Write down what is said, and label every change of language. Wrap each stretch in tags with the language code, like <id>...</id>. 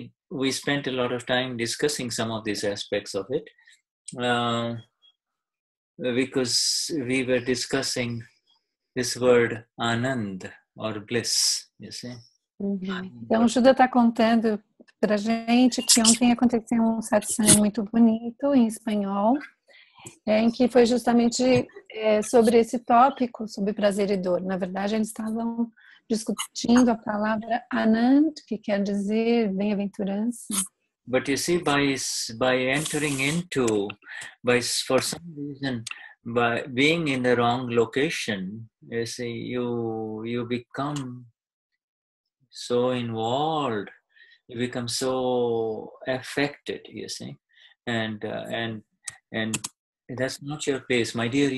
<en>We spent a lot of time discussing some of these aspects of it, because we were discussing this word anand or bliss, you see? Uhum.</en> <pt>Então, o Judá está contando para a gente que ontem aconteceu um satsang muito bonito em espanhol, em que foi justamente sobre esse tópico, sobre prazer e dor. Na verdade, eles estavam discutindo a palavra anand, que quer dizer bem-aventurança.</pt> <en>But you see, by entering into, for some reason, by being in the wrong location, you see, you become so involved, you become so affected, you see, and that's not your place, my dear.</en>